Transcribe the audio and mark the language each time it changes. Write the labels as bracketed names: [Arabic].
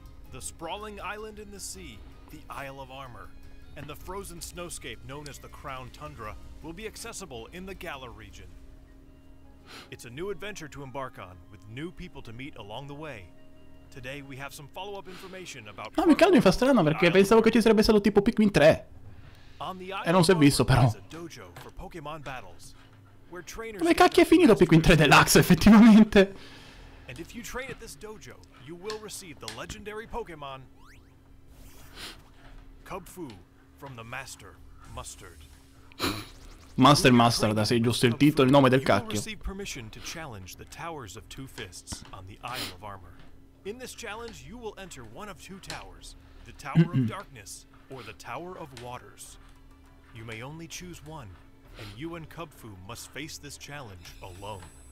[English] The sprawling island in the sea, the Isle of Armor, and the frozen snowscape known as the Crown Tundra will be accessible in the Galar region. It's a new adventure to embark on, with new people to meet along the way. Today we have some follow-up information about... [Italian] No, mi caldo, mi fa strano, perché pensavo che ci sarebbe stato tipo Pikmin 3. E non si è visto, però. Dove cacchio è finito Pikmin 3 Deluxe, effettivamente? [English] And if you train at this dojo, you will receive the legendary Pokémon... Kubfu, from the Master Mustard. [Italian] Master Mustard, sei giusto il titolo, il nome del cacchio. [English] You will receive permission to challenge the Towers of Two Fists on the Isle of Armor. In this challenge, you will enter one of two towers, the Tower of Darkness or the Tower of Waters. You may only choose one, and you and Kubfu must face this challenge alone.